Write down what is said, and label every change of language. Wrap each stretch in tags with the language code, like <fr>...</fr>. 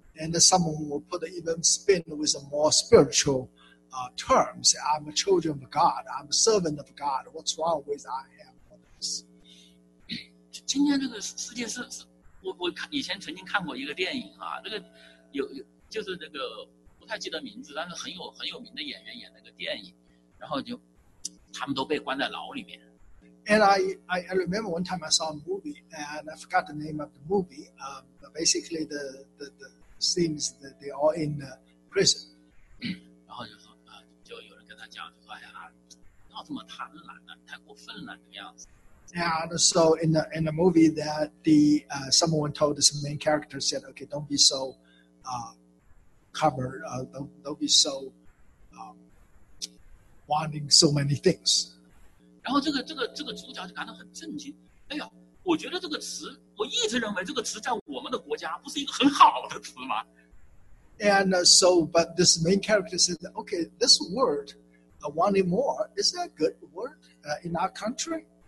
<en>And someone will put even spin with a more spiritual term, say, I'm a children of God, I'm a servant of God, what's wrong with I am?</en> <zh>今天这个世界是 我以前曾经看过一个电影啊，那个有就是那个不太记得名字，但是很有名的演员演那个电影，然后就他们都被关在牢里面。</zh> <en>And I remember one time I saw a movie, and I forgot the name of the movie. But basically, the scenes that they are in the prison.</en> <zh>然后就说啊，就有人跟他讲，就说哎呀，不要这么贪婪了，太过分了，这个样子。</zh> <en>And so in the movie that someone told this main character said, okay, don't be so covered, don't be so wanting so many things.</en> <zh>然后这个主角就感到很震惊，哎呦，我觉得这个词，我一直认为这个词在我们的国家不是一个很好的词吗</zh> <en>？And so, but this main character said, "Okay, this word, wanting more, is that a good word in our country?"</en>